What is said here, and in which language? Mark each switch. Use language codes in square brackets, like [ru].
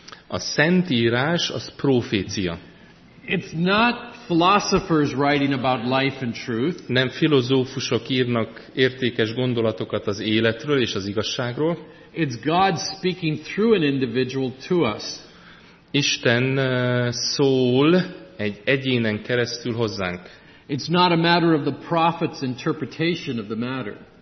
[hu] A Szentírás az profécia. [en] It's not philosophers writing about life and truth. [hu] Nem filozófusok írnak értékes gondolatokat az életről és az igazságról. [en] It's God speaking through an individual to us. [hu] Isten szól egy egyénen keresztül hozzánk. [en] It's not a matter of the prophet's interpretation of the matter.